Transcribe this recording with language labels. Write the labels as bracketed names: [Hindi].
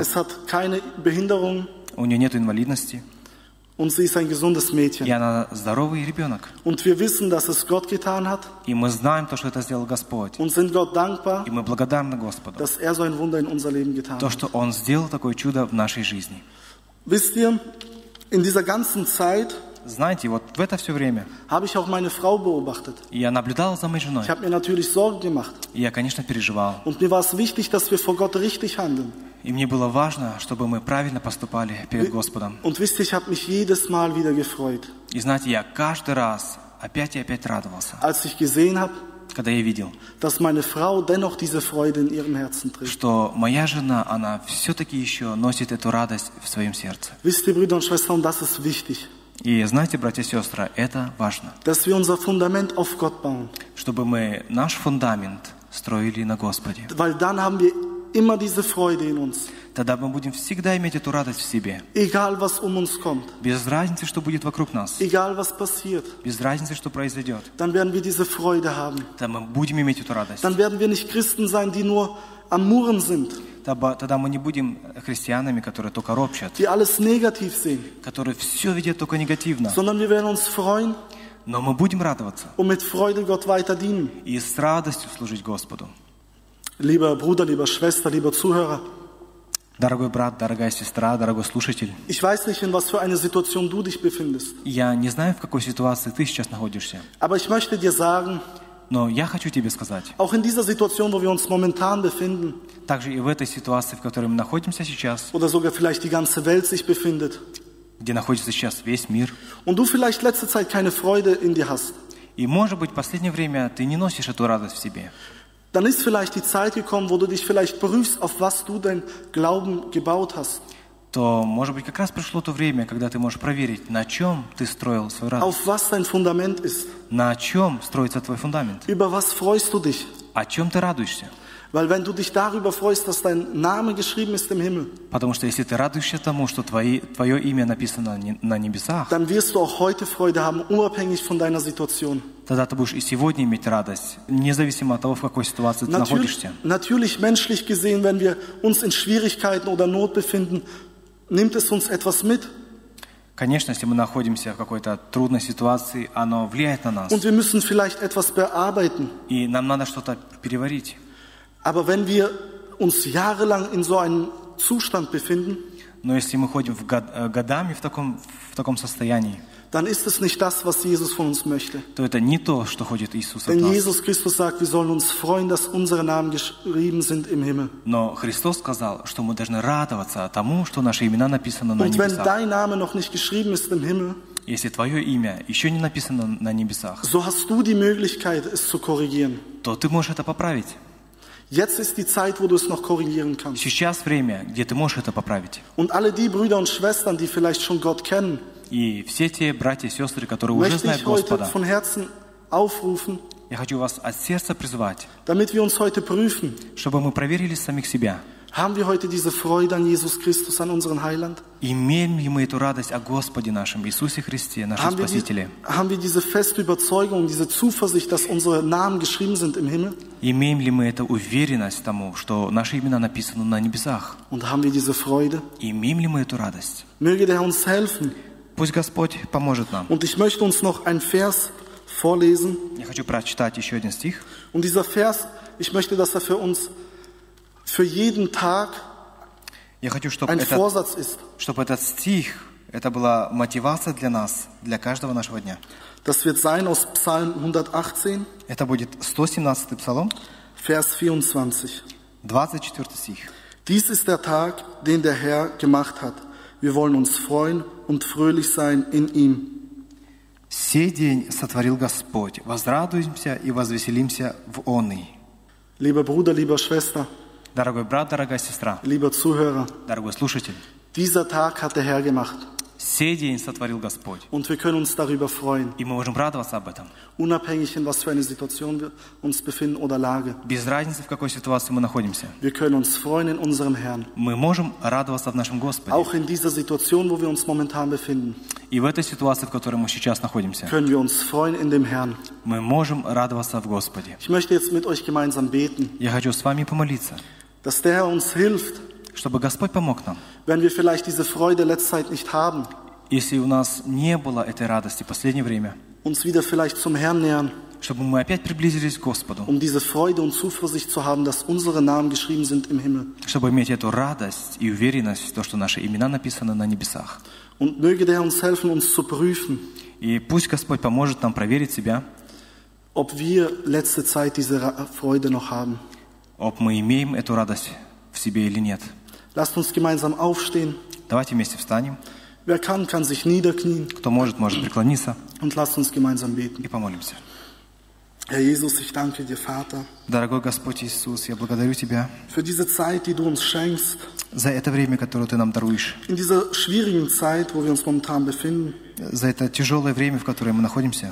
[German] Es hat keine Behinderung. [Russian] У нее нет инвалидности. [German] Und sie ist ein gesundes Mädchen. [Russian] И она здоровый ребенок. [German] Und wir wissen, dass es Gott getan hat. [Russian] И мы знаем то, что это сделал Господь. [German] Und sind Gott dankbar, [Russian] и мы благодарны Господу, [German] dass er so ein Wunder in unser Leben getan [Russian] то, что Он сделал такое чудо в нашей жизни. [German] Wisst ihr, in dieser ganzen Zeit, [Russian] знаете, вот в это все время [German] habe ich auch meine Frau beobachtet. [Russian] Я наблюдал за моей женой. [German] Ich habe mir natürlich Sorgen gemacht. [Russian] Я, конечно, переживал. [German] Und mir war es wichtig, dass wir vor Gott richtig handeln. [Russian] И мне было важно, чтобы мы правильно поступали перед Господом. [German] Und wisst ihr, ich habe mich jedes Mal wieder gefreut. [Russian] И знаете, я каждый раз опять и опять радовался. [German] Als ich gesehen habe, [Russian] когда я видел, [German] dass meine Frau dennoch diese Freude in ihrem Herzen trägt. [Russian] Что моя жена, она все-таки еще носит эту радость в своем сердце. [German] Wisst ihr, Brüder und Schwestern, das ist wichtig. [Russian] И знаете, братья и сестры, это важно. [German] Dass wir unser Fundament auf Gott bauen. [Russian] Чтобы мы наш фундамент строили на Господе. [German] Weil dann haben wir immer diese Freude in uns. [Russian] Тогда мы будем всегда иметь эту радость в себе. [German] Egal, was um uns kommt. [Russian] Без разницы, что будет вокруг нас. [German] Egal, was passiert. [Russian] Без разницы, что произойдет. [German] Dann werden wir diese Freude haben. [Russian] Тогда мы будем иметь эту радость. [German] Dann werden wir nicht Christen sein, die nur am Murren sind. [Russian] Тогда мы не будем христианами, которые только ропщат. [German] Die alles negativ sehen. [Russian] Которые все видят только негативно. [German] Sondern wir werden uns freuen. [Russian] Но мы будем радоваться. [German] Und mit Freude Gott weiter dienen. [Russian] И с радостью служить Господу. [German] Lieber Bruder, lieber Schwester, lieber Zuhörer. [Russian] Дорогой брат, дорогая сестра, дорогой слушатель. [German] Ich weiß nicht, in was für eine Situation du dich befindest. [Russian] Я не знаю, в какой ситуации ты сейчас находишься. [German] Aber ich möchte dir sagen. [Russian] Но я хочу тебе сказать. [German] Auch in dieser Situation, wo wir uns momentan befinden. [Russian] Также и в этой ситуации, в которой мы находимся сейчас. [German] Oder sogar vielleicht die ganze Welt sich befindet. [Russian] Где находится сейчас весь мир. [German] Und du vielleicht letzte Zeit keine Freude in dir hast. [Russian] И может быть, в последнее время ты не носишь эту радость в себе. [German] Dann ist vielleicht die Zeit gekommen, wo du dich vielleicht prüfst, auf was du dein Glauben gebaut hast. [Russian] То, может быть, как раз пришло то время, когда ты можешь проверить, на чем ты строил свою радость. [German] Auf was dein Fundament ist. [Russian] На чем строится твой фундамент. [German] Über was freust du dich? [Russian] О чем ты радуешься? [German] Weil wenn du dich darüber freust, dass dein Name geschrieben ist im Himmel, [Russian] потому что если ты радуешься тому, что твое имя написано на небесах, [German] dann wirst du auch heute Freude haben, unabhängig von deiner Situation. [Russian] Тогда ты будешь и сегодня иметь радость, независимо от того, в какой ситуации ты находишься. [German] Natürlich menschlich gesehen, wenn wir uns in Schwierigkeiten oder Not befinden, nimmt es uns etwas mit. [Russian] Конечно, если мы находимся в какой-то трудной ситуации, оно влияет на нас. [German] Und wir müssen vielleicht etwas bearbeiten. [Russian] И нам надо что-то переварить. [German] Aber wenn wir uns jahrelang in so einem Zustand befinden, [Russian] но если мы ходим годами в таком состоянии, [German] dann ist es nicht das, was Jesus von uns möchte. [Russian] То это не то, что хочет Иисус от нас. [German] Denn Jesus Christus sagt, wir sollen uns freuen, dass unsere Namen geschrieben sind im Himmel. [Russian] Но Христос сказал, что мы должны радоваться тому, что наши имена написаны на небесах. [German] Und wenn dein Name noch nicht geschrieben ist im Himmel, [Russian] если твое имя еще не написано на небесах, [German] so hast du die Möglichkeit, es zu korrigieren. [Russian] То ты можешь это поправить. [German] Jetzt ist die Zeit, wo du es noch korrigieren kannst. [Russian] Сейчас время, где ты можешь это поправить. [German] Und alle die Brüder und Schwestern, die vielleicht schon Gott kennen, [Russian] и все те братья и сестры, которые уже знают Господа, [German] möchte ich heute von Herzen aufrufen, [Russian] я хочу вас от сердца призвать, [German] damit wir uns heute prüfen, [Russian] чтобы мы проверили самих себя. [German] Haben wir heute diese Freude an Jesus Christus, an unseren Heiland? [Russian] Имеем ли мы эту радость о Господе нашем, Иисусе Христе, нашем Спасителе? [German] Haben wir diese feste Überzeugung, diese Zuversicht, dass unsere Namen geschrieben sind im Himmel? [Russian] Имеем ли мы эту уверенность тому, что наши имена написаны на небесах? [German] Und haben wir diese Freude? [Russian] Имеем ли мы эту радость? [German] Möge der Herr uns helfen. [Russian] Пусть Господь поможет нам. [German] Und ich möchte uns noch einen Vers vorlesen. [Russian] Я хочу прочитать еще один стих. [German] Und dieser Vers, ich möchte, dass er für uns für jeden Tag ein Vorsatz ist. [Russian] Чтобы этот стих, это была мотивация для нас, для каждого нашего дня. [German] Das wird sein aus Psalm 118. [Russian] Это будет 117-й Псалом. [German] Vers 24. [Russian] 24 стих. [German] Dies ist der Tag, den der Herr gemacht hat. Wir wollen uns freuen und fröhlich sein in ihm. [Russian] Сей день сотворил Господь. Возрадуемся и возвеселимся в Оне. [German] Lieber Bruder, lieber Schwester, [Russian] дорогой брат, дорогая сестра, [German] lieber Zuhörer, [Russian] дорогой слушатель, [German] dieser Tag hat der Herr gemacht. [Russian] Сей день сотворил Господь. [German] Und wir können uns darüber freuen. [Russian] И мы можем радоваться об этом. [German] Unabhängig in was für eine Situation wir uns befinden oder Lage. [Russian] Без разницы, в какой ситуации мы находимся. [German] Wir können uns freuen in unserem Herrn. [Russian] Мы можем радоваться в нашем Господе. [German] Auch in dieser Situation, wo wir uns momentan befinden. [Russian] И в этой ситуации, в которой мы сейчас находимся. [German] Können wir uns freuen in dem Herrn. [Russian] Мы можем радоваться в Господе. [German] Ich möchte jetzt mit euch gemeinsam beten. [Russian] Я хочу с вами помолиться. [German] Dass der Herr uns hilft. [Russian] Чтобы Господь помог нам. [German] Wenn wir vielleicht diese Freude letzte Zeit nicht haben. [Russian] Если у нас не было этой радости в последнее время. [German] Uns wieder vielleicht zum Herrn nähern. [Russian] Чтобы мы опять приблизились к Господу. [German] Um diese Freude und Zuversicht zu haben, dass unsere Namen geschrieben sind im Himmel. [Russian] Чтобы иметь эту радость и уверенность в том, что наши имена написаны на небесах. [German] Und möge der Herr uns helfen, uns zu prüfen. [Russian] И пусть Господь поможет нам проверить себя. [German] Ob wir letzte Zeit diese Freude noch haben. Ob [Russian] мы имеем эту радость в себе или нет. [German] Lasst uns gemeinsam aufstehen. [Russian] Давайте вместе встанем. [German] Wer kann sich niederknien. [Russian] Кто может, может преклониться. [German] Und lasst uns gemeinsam beten. [Russian] И помолимся. [German] Herr Jesus, ich danke dir, Vater. [Russian] Дорогой Господь Иисус, я благодарю тебя. [German] Für diese Zeit, die du uns schenkst. [Russian] За это время, которое ты нам даруешь. [German] In dieser schwierigen Zeit, wo wir uns momentan befinden. [Russian] За это тяжелое время, в которое мы находимся.